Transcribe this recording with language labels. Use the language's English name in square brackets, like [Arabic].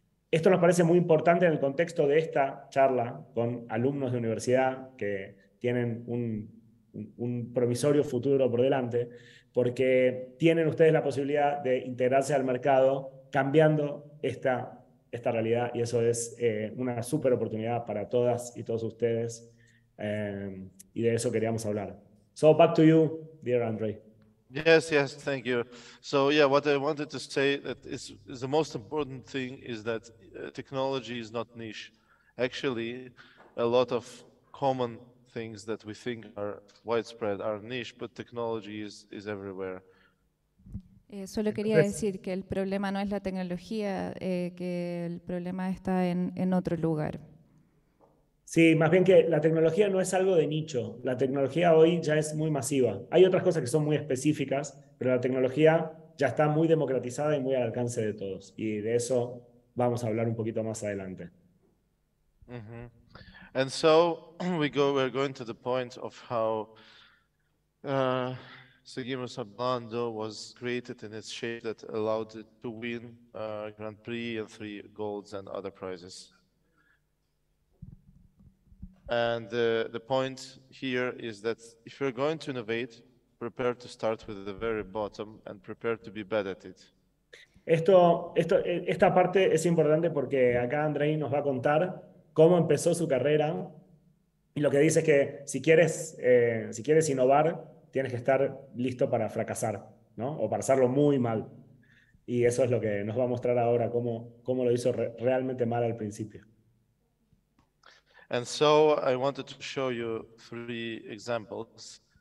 [Spanish] Esto nos parece muy importante en el contexto de esta charla con alumnos de universidad que tienen un promisorio futuro por delante, porque tienen ustedes la posibilidad de integrarse al mercado cambiando esta realidad, y eso es una súper oportunidad para todas y todos ustedes, y de eso queríamos hablar. [English] So back to you, dear Andrei. Yes, thank you. So yeah, what I wanted to say that is the most important thing is that technology is not niche. Actually, a lot of common things that we think are widespread are niche, but technology is everywhere. [Spanish] Solo quería decir que el problema no es la tecnología, que el problema está en otro lugar. Sí, más bien que la tecnología no es algo de nicho. La tecnología hoy ya es muy masiva. Hay otras cosas que son muy específicas, pero la tecnología ya está muy democratizada y muy al alcance de todos. Y de eso vamos a hablar un poquito más adelante. Mm-hmm. [English] And so we're going to the point of how Seguimos Hablando was created in its shape that allowed it to win Grand Prix and 3 golds and other prizes. And the point here is that if you're going to innovate, prepare to start with the very bottom and prepare to be bad at it. [Spanish] Esta parte es importante porque acá Andrei nos va a contar cómo empezó su carrera, y lo que dice es que si quieres innovar, tienes que estar listo para fracasar, ¿no? O para hacerlo muy mal. Y eso es lo que nos va a mostrar ahora, cómo lo hizo realmente mal al principio. [English] And so I wanted to show you 3 examples.